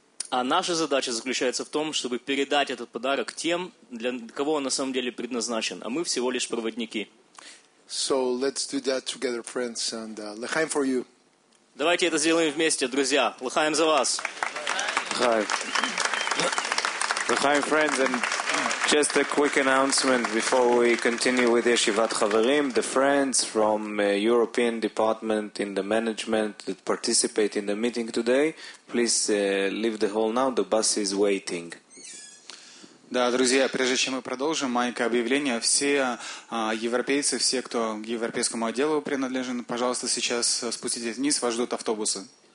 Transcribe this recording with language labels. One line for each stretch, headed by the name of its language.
Russian: А наша задача заключается в том, чтобы передать этот подарок тем, для кого он на самом деле предназначен. А мы всего лишь проводники.
English: So let's do that together, friends, and l'chaim for you.
Russian: Давайте это сделаем вместе, друзья. L'chaim за вас.
English: Hi. L'chaim, friends, and just a quick announcement before we continue with Yeshivat Chavarim. The friends from European Department in the Management that participate in the meeting today, please leave the hall now. The bus is waiting.
Russian: Да, друзья, прежде чем мы продолжим, маленькое объявление. Все европейцы, все, кто к европейскому отделу принадлежен, пожалуйста, сейчас спуститесь вниз, вас ждут автобусы.